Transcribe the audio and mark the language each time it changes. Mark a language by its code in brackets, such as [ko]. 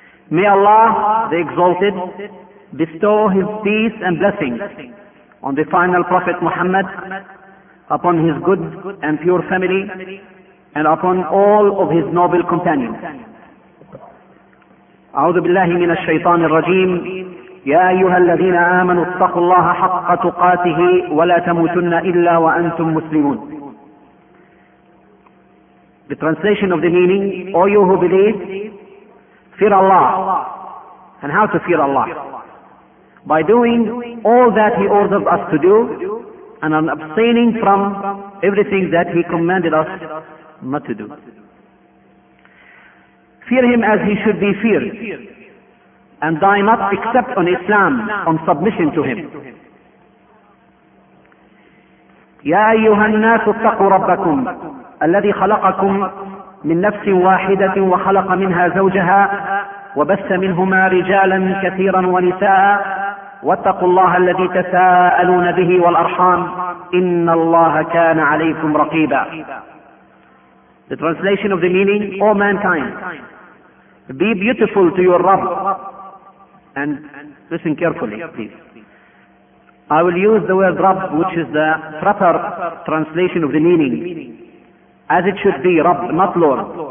[en] May Allah the Exalted bestow his peace and blessings on the final Prophet Muhammad, upon his good and pure family, and upon all of his noble companions. [ar] أعوذ بالله من الشيطان الرجيم. يا أيها الذين آمنوا اتقوا الله حق تقاته ولا تموتن إلا وأنتم مسلمون. [en] The translation of the meaning, O you who believe, fear Allah. And how to fear Allah? by doing all that He ordered us to do, and on abstaining from everything that He commanded us not to do. Fear Him as He should be feared, and die not except on Islam, on submission to Him. [ar] يا أيها الناس اتقوا ربكم الذي خلقكم من نفس واحدة وخلق منها زوجها وبث منهما رجالا كثيرا ونساء واتقوا الله الذي تساءلون به والأرحام إن الله كان عليكم رقيبا. [en] The translation of the meaning: O mankind, be beautiful to your Rabb. And listen carefully, please. I will use the word Rabb, which is the proper translation of the meaning, as it should be, Rabb, not Lord.